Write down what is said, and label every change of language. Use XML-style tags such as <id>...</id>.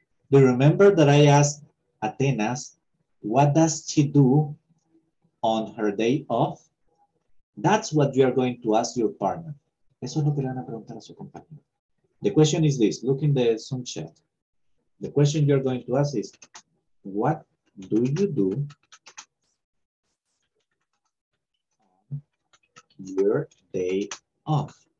<en>Do you remember that I asked Athenas, what does she do on her day off? That's what you are going to ask your partner.</en> <es>Eso es lo que le van a preguntar a su compañero.</es> <en>The question is this, look in the Zoom chat. The question you're going to ask is, what do you do on your day off?</en>